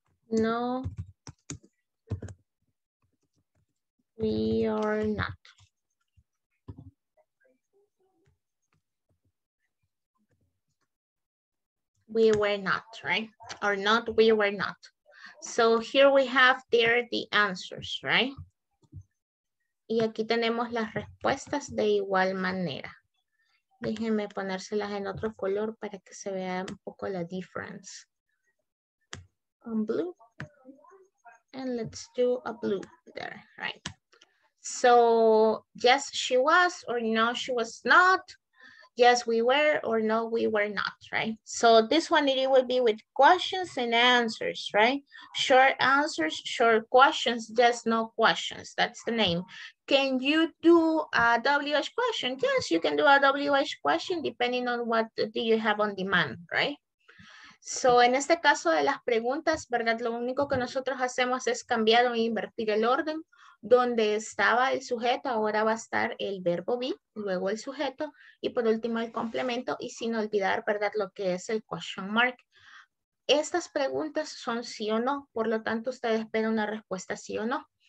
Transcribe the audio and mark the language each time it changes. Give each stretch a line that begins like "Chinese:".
English: No, we are not. We were not, right? Or not, we were not. So here we have there the answers, right?
Spanish: Y aquí tenemos las respuestas de igual manera. Déjenme ponérselas en otro color para que se vea un poco la difference.
English: On blue. And let's do a blue there, right? So yes, she was, or no, she was not. Yes, we were, or no, we were not, right? So this one, it will be with questions and answers, right? Short answers, short questions, just no questions. That's the name. Can you do a WH question? Yes, you can do a WH question depending on what do you have on demand, right?
Spanish: So, en este caso de las preguntas, ¿verdad? Lo único que nosotros hacemos es cambiar o invertir el orden. Donde estaba el sujeto, ahora va a estar el verbo be, luego el sujeto y por último el complemento y sin olvidar, ¿verdad? Lo que es el question mark. Estas preguntas son sí o no, por lo tanto usted espera una respuesta sí o no.